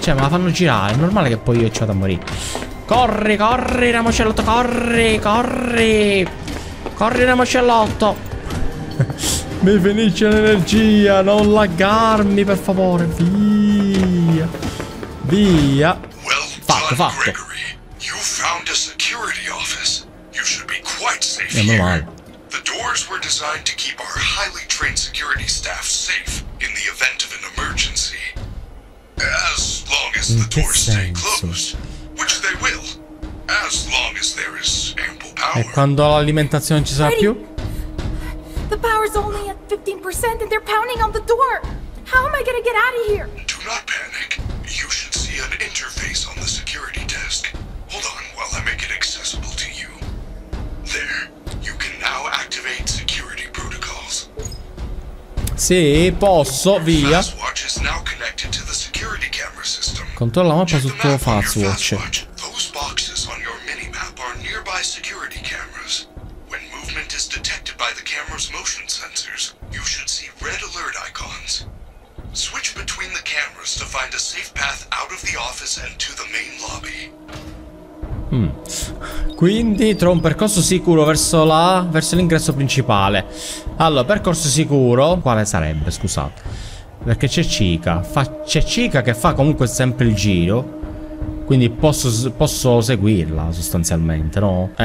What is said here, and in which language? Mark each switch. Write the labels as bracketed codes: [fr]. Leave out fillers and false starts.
[it] Cioè, me la fanno girare. È normale che poi io ci vado a morire. Corri, corri, ramocellotto. Corri, corri. Corri, ramocellotto. Mi finisce l'energia. Non laggarmi, per favore. Via. Via. [en] Well done, [it] fatto, fatto. [en] Gregory. You found a security office. You should be quite safe here. [it] Male. [en] The doors were designed to keep our highly trained security staff safe in the event of an emergency. As long as the doors stay closed, which they will, as long as there is ample power. [it] E quando l'alimentazione ci sarà Freddy, più? [en] The power's only at 15% and they're pounding on the door. How am I gonna get out of here? Do not panic. You should see an interface on the security desk. Hold on while I make it accessible to you. There. Now activate security protocols. [it] Sì, posso, via. [en] Watch is now connected to the security camera system. [it] Controlla la mappa sul tuo FastWatch. [en] Those boxes on your minimap are nearby security cameras. When movement is detected by the camera's motion sensors, you should see red alert icons. Switch between the cameras to find a safe path out of the office and to the main lobby. [it] Quindi trovo un percorso sicuro verso l'ingresso principale. Allora, percorso sicuro. Quale sarebbe, scusate? Perché c'è Chica. C'è Chica che fa comunque sempre il giro. Quindi posso seguirla sostanzialmente, no?